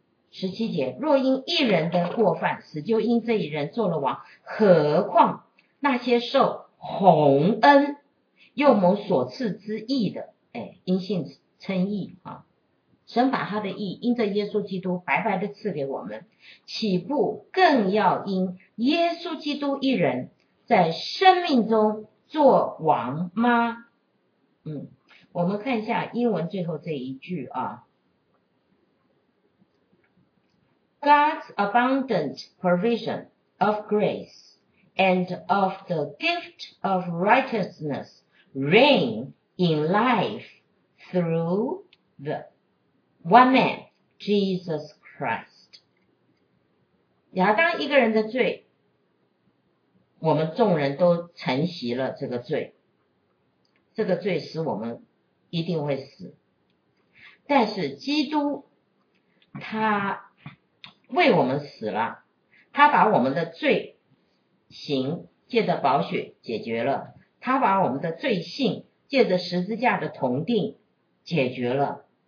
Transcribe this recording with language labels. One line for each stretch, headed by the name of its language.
Chinese: 十七节，若因一人的过犯死，就因这一人做了王，何况那些受洪恩又蒙所赐之义的，因信称义啊，神把他的义因着耶稣基督白白的赐给我们，岂不更要因耶稣基督一人在生命中做王吗？我们看一下英文最后这一句啊。
English: God's abundant provision of grace and of the gift of righteousness reign in life through the one man, Jesus Christ.
Chinese: 亚当一个人的罪，我们众人都承袭了这个罪，这个罪使我们一定会死。但是基督他为我们死了，他把我们的罪行借着宝血解决了，他把我们的罪性借着十字架的铜钉解决了。